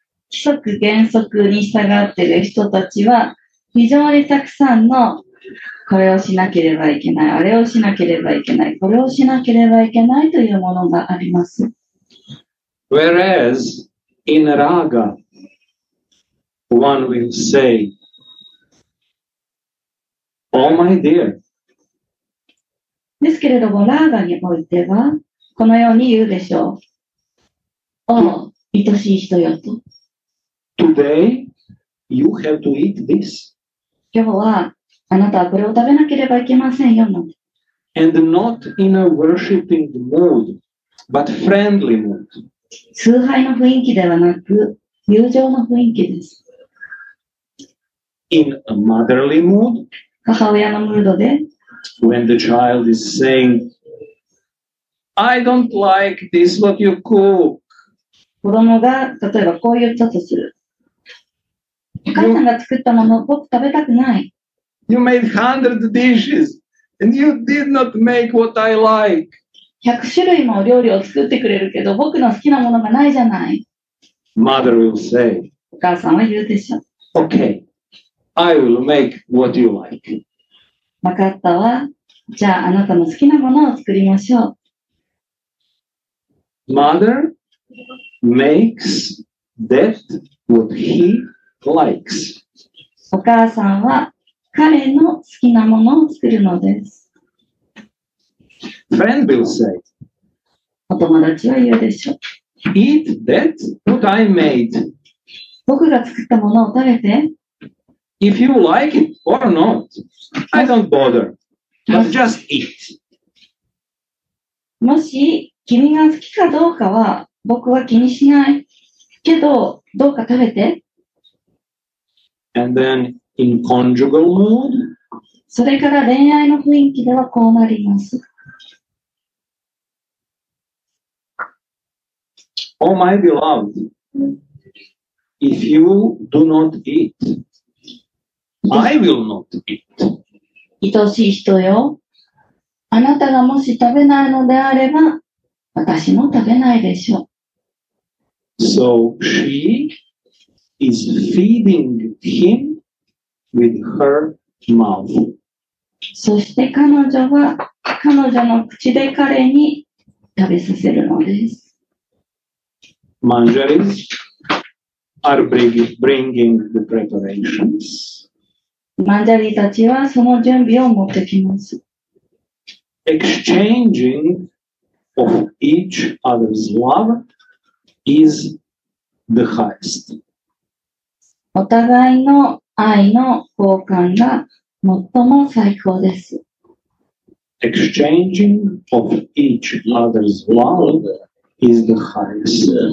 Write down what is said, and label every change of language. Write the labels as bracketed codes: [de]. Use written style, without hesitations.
[ja] 規則原則に従っている人たちは非常にたくさんのこれをしなければいけない、あれをしなければいけない、これをしなければいけないというものがあります。 [en] Whereas in Raga, one will say,Oh my dear. [ja] ですけれども、ラーガにおいては、このように言うでしょう。おう、愛しい人よと。 [en] Today, you have to eat this. [ja] 今日は、あなたはこれを食べなければいけませんよ。 [en] And not in a worshipping mood, but friendly mood. [ja] 崇拝の雰囲気ではなく、友情の雰囲気です。 [en] In a motherly mood, [ja] 母親のムードで [en] When the child is saying, I don't like this what you cook. [ja] 子供が例えばこう言ったとする。お母さんが作ったもの僕食べたくない。 [en] You made 100 dishes and you did not make what I like. [ja] 100種類も料理を作ってくれるけど僕の好きなものがないじゃない。 [en] Mother will say, [ja] お母さんは言うでしょ。 [en] Okay. I will make what you like. [ja] 分かったわ。じゃあ、あなたの好きなものを作りましょう。 [en] Mother makes that what he likes. [ja] お母さんは彼の好きなものを作るのです。 [en] Friend will say. [ja] お友達は言うでしょう。 [en] Eat that what I made. [ja] 僕が作ったものを食べて。 [en] If you like it or not, I don't bother. But just eat. [ja] もし君が好きかどうかは僕は気にしないけどどうか食べて。 [en] And then in conjugal mood, [ja] それから恋愛の雰囲気ではこうなります。 [en] Oh my beloved, if you do not eat,I will not eat. [ja] 愛しい人よ。あなたがもし食べないのであれば、私も食べないでしょう。 [en] So she is feeding him with her mouth. [ja] そして彼女は彼女の口で彼に食べさせるのです。 [en] Manjaris are bringing the preparations. [ja] マンジャリたちはその準備を持ってきます。 [en] Exchanging of each other's love is the highest. [ja] お互いの愛の交換が最も最高です。 [en] Exchanging of each other's love is the highest.